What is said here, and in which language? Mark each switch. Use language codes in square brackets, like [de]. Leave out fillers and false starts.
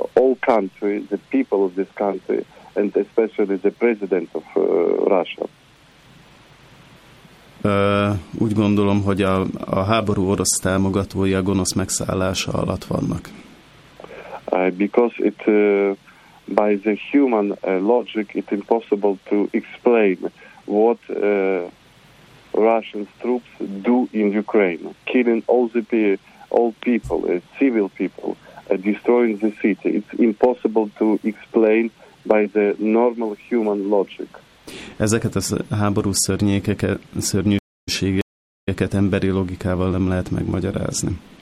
[en] All country, the people of this country, and especially the president of Russia. [hu] Úgy gondolom, hogy a háború orosz támogatói a gonosz megszállása alatt vannak. [en] Because it by the human logic it impossible to explain what Russian troops do in Ukraine, killing all people, civil people, destroying the city. It's impossible to explain by the normal human logic. [hu] Ezeket a háború szörnyűségeket emberi logikával nem lehet megmagyarázni.